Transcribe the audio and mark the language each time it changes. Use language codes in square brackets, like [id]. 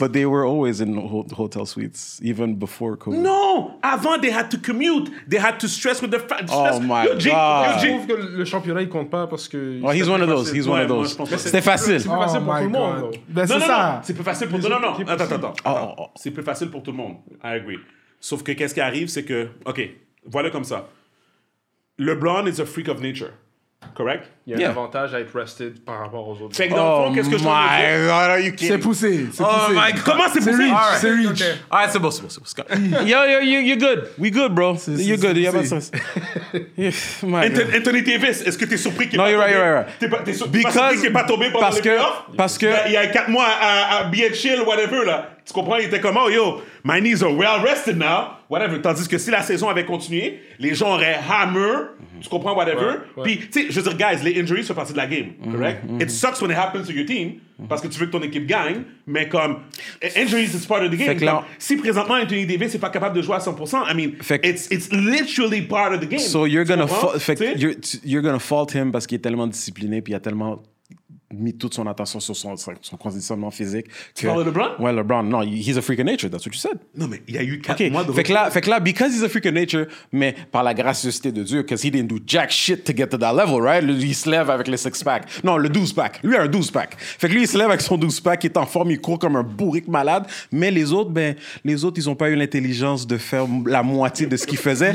[en] But they were always in hotel suites, even before COVID. No, avant, they had to commute. They had to stress with the fact. Oh, my God. [fr] Je trouve que le championnat, il compte pas parce que... [en] Oh, he's one of those. He's one of those. [fr] C'était facile. C'est plus facile pour tout le monde. Ben, c'est ça. C'est plus facile pour... Non. Attends. C'est plus facile pour tout le monde. [en] I agree. [fr] Sauf que qu'est-ce qui arrive, c'est que... OK, voilà comme ça. [en] LeBron is a freak of nature. Correct? [fr] Il y a un avantage à être rested par rapport aux autres. Fait que dans le fond, qu'est-ce que je veux dire? [en] Oh my God, are you kidding? [fr] C'est poussé. [en] My God. [fr] Comment c'est poussé? C'est reach. Reach. [en] All right, [fr] c'est bon. [en] Yo, you're good. We good, bro. You're good. [fr] Il y a pas de sens. Anthony Davis, est-ce que t'es surpris qu'il n'y ait pas tombé? Non, [en] you're right. [fr] T'es surpris qu'il n'y ait pas tombé pendant les playoffs? Parce que... Il y a 4 mois à [en] be chill, [fr] whatever, là. Tu comprends? Il était comme, [en] oh yo, my knees are well rested now. [fr] Whatever. Tandis que si la saison avait continué, les gens auraient hammer. Tu comprends? Whatever. Puis, tu sais, je veux dire, guys, les injuries font partie de la game. [en] Correct? It sucks when it happens to your team [fr] parce que tu veux que ton équipe gagne. Mais comme, [en] injuries is part of the game. [fr] Fait que là, si présentement Anthony Davis n'est pas capable de jouer à 100%, [en] I mean, it's literally part of the game. So you're gonna fault him [fr] parce qu'il est tellement discipliné puis il y a tellement... mis toute son attention sur son conditionnement physique. Tu parles de LeBron? Ouais, LeBron. Non, [en] he's a freak of nature. That's what you said. [fr] Non, mais il y a eu 4 mois de... Fait que là, [en] because he's a freak of nature, [fr] mais par la gracieuseté de Dieu, [en] because he didn't do jack shit to get to that level, right? [fr] Il se lève avec le 6-pack. Non, le 12-pack. Lui a un 12-pack. Fait que lui, il se lève avec son 12-pack, il est en forme, il court comme un bourrique malade, mais les autres, ils n'ont pas eu l'intelligence de faire la moitié de ce qu'il faisait.